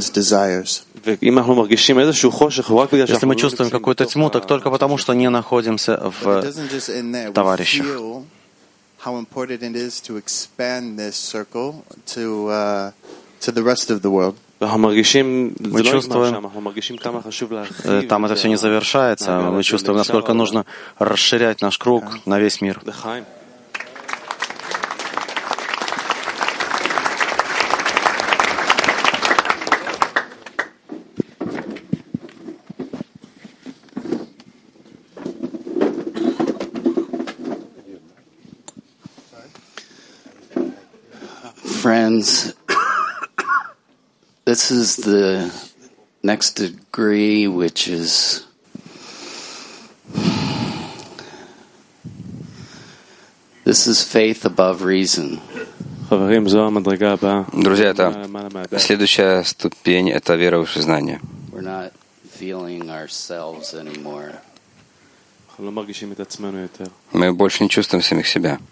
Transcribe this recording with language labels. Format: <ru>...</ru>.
<ru>Если мы чувствуем какую-то тьму, так только потому, что не находимся в товарищах.</ru> <en>How important it is to expand this circle to the rest of the world.</en> <ru>Мы чувствуем, там это все не завершается. Мы чувствуем, насколько нужно расширять наш круг на весь мир.</ru> <en>Friends, this is the next degree, which is this is faith above reason.</en> <he>Хаверим, זו המדרגה הבאה.</he> <ru>Друзья, это следующая ступень, это вера выше знания.</ru> <en>We're not feeling ourselves anymore.</en> <ru>Мы больше не чувствуем самих себя.</ru>